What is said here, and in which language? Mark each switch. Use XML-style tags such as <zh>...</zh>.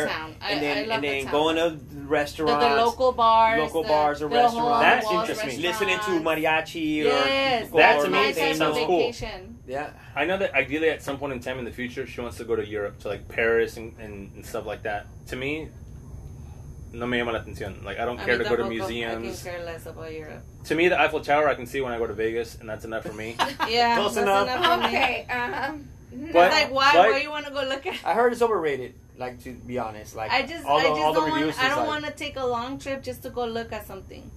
<en>I love the town. And then going to restaurants. The local bars. Local bars or restaurants. That interests me. Listening to mariachi or that to me sounds cool. Yeah. I know that ideally at some point in time in the future, she wants to go to Europe, to like Paris and stuff like that. To me,</en> <es>no me llama la atención.</es> <en>Like, I don't care to go to museums. I can care less about Europe. To me, the Eiffel Tower I can see when I go to Vegas, and that's enough for me. Yeah, close enough. Okay. But, like, why do you want to go look at it? I heard it's overrated, like, to be honest. Like, want to take a long trip just to go look at something.</en>